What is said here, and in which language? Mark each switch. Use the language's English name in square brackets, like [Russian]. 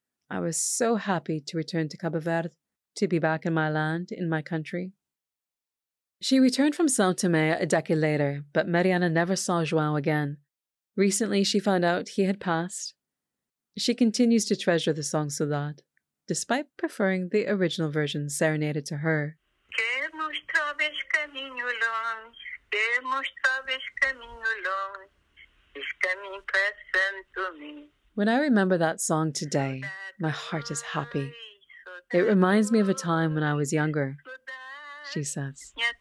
[English] "I was so happy to return to Cabo Verde, to be back in my land, in my country." She returned from São Tomé a decade later, but Mariana never saw João again. Recently, she found out he had passed. She continues to treasure the song Sodade, despite preferring the original version serenaded to her. [Portuguese] Temos talvez caminho longe, temos talvez caminho longe, este caminho para São Tomé. [English] When I remember that song today, my heart is happy. It reminds me of a time when I was younger, she says.